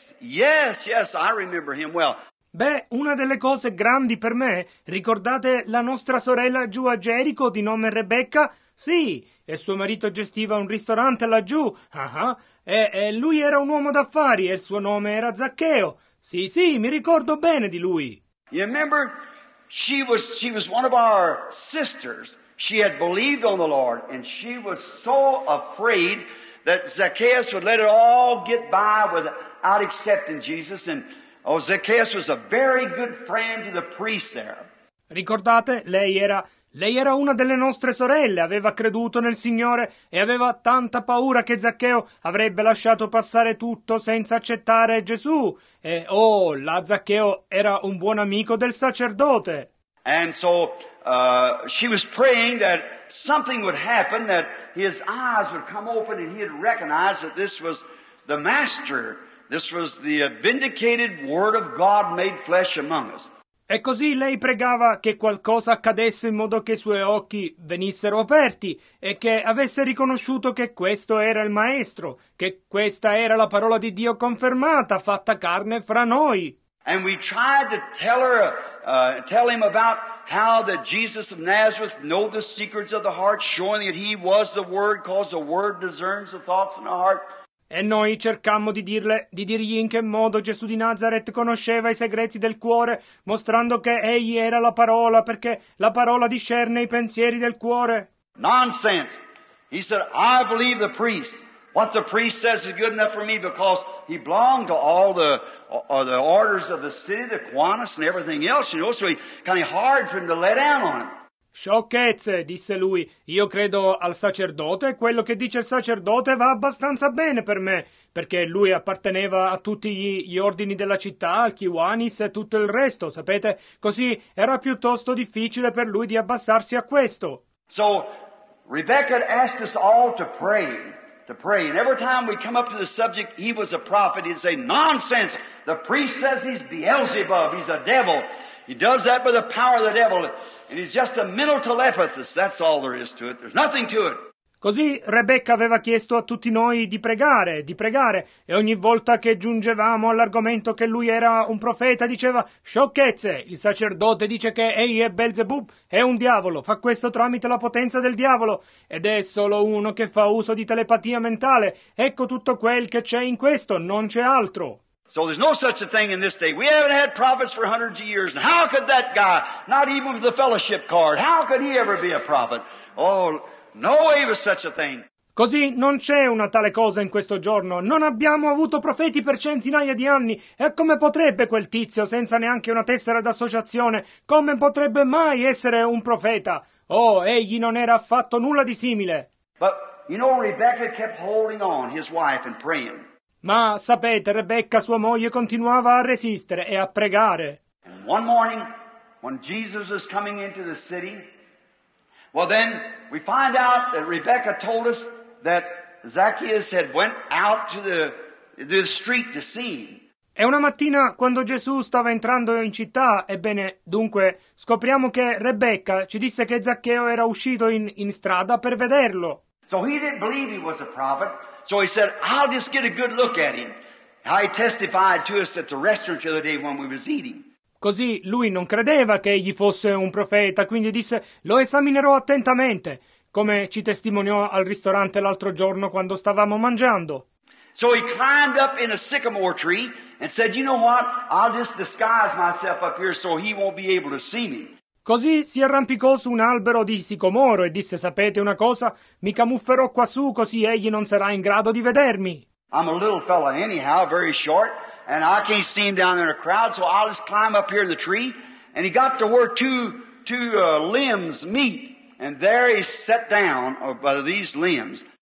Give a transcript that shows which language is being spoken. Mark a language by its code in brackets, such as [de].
[en] Yes, yes, I remember him well. [it] Beh, una delle cose grandi per me, ricordate la nostra sorella giù a Gerico di nome Rebecca? Sì, e suo marito gestiva un ristorante laggiù, e lui era un uomo d'affari e il suo nome era Zaccheo. Sì, sì, mi ricordo bene di lui. [en] You remember? She was one of our sisters. She had believed on the Lord and she was so afraid that Zacchaeus would let it all get by without accepting Jesus and... Oh, Zacchaeus was a very good friend to the priest there. [it] Ricordate, lei era una delle nostre sorelle, aveva creduto nel Signore e aveva tanta paura che Zaccheo avrebbe lasciato passare tutto senza accettare Gesù. E oh, là Zaccheo era un buon amico del sacerdote. [en] And so she was praying that something would happen, that his eyes would come open and he'd recognize that this was the Master. This was the vindicated word of God made flesh among us. [it] E così lei pregava che qualcosa accadesse in modo che i suoi occhi venissero aperti e che avesse riconosciuto che questo era il Maestro, che questa era la parola di Dio confermata, fatta carne fra noi. [en] And we tried to tell him about how that Jesus of Nazareth knew the secrets of the heart, showing that he was the word, because the word discerns the thoughts in the heart. [it] E noi cercammo di dirgli in che modo Gesù di Nazareth conosceva i segreti del cuore, mostrando che egli era la parola, perché la parola discerne i pensieri del cuore. [en] Nonsense. He said, I believe the priest. What the priest says is good enough for me because he belonged to all the orders of the city, the Kiwanis and everything else, you know, so it's kind of hard for him to lay down on it. [it] Sciocchezze, disse lui, io credo al sacerdote e quello che dice il sacerdote va abbastanza bene per me, perché lui apparteneva a tutti gli ordini della città, al Kiwanis e tutto il resto, sapete? Così era piuttosto difficile per lui di abbassarsi a questo. [en] So, Rebecca asked us all to pray, and every time we come up to the subject, he was a prophet, he'd say, nonsense, the priest says he's Beelzebub, he's a devil. He does that by the power of the devil, and he's just a mental telepathy. That's all there is to it. There's nothing to it. [it] Così Rebecca aveva chiesto a tutti noi di pregare, e ogni volta che giungevamo all'argomento che lui era un profeta, diceva, sciocchezze, il sacerdote dice che egli è Beelzebub, è un diavolo, fa questo tramite la potenza del diavolo, ed è solo uno che fa uso di telepatia mentale. Ecco tutto quel che c'è in questo, non c'è altro. [en] So there's no such a thing in this day. We haven't had prophets for hundreds of years. And how could that guy, not even with the fellowship card, how could he ever be a prophet? Oh, no way was such a thing. [it] Così non c'è una tale cosa in questo giorno. Non abbiamo avuto profeti per centinaia di anni. E come potrebbe quel tizio, senza neanche una tessera d'associazione, come potrebbe mai essere un profeta? Oh, egli non era affatto nulla di simile. [en] But, you know, Rebecca kept holding on, his wife, and praying. [it] Ma sapete, Rebecca, sua moglie, continuava a resistere e a pregare. [en] And one morning, when Jesus was coming into the city, well then, we find out that Rebecca told us that Zacchaeus had went out to the street to see him. [it] E una mattina, quando Gesù stava entrando in città, ebbene, dunque, scopriamo che Rebecca ci disse che Zaccheo era uscito in strada per vederlo. [en] So he didn't believe he was a prophet. So he said, I'll just get a good look at him. I testified to us at the restaurant the other day when we was eating. [it] Così lui non credeva che egli fosse un profeta, quindi disse, lo esaminerò attentamente, come ci testimoniò al ristorante l'altro giorno quando stavamo mangiando. [en] So he climbed up in a sycamore tree and said, you know what, I'll just disguise myself up here so he won't be able to see me. [it] Così si arrampicò su un albero di sicomoro e disse, sapete una cosa? Mi camufferò quassù così egli non sarà in grado di vedermi. [en] I'm a little fella anyhow, very short, and I can't see him down there in a crowd, so I'll just climb up here in the tree. And he got to where two limbs meet, and there he sat down by these limbs.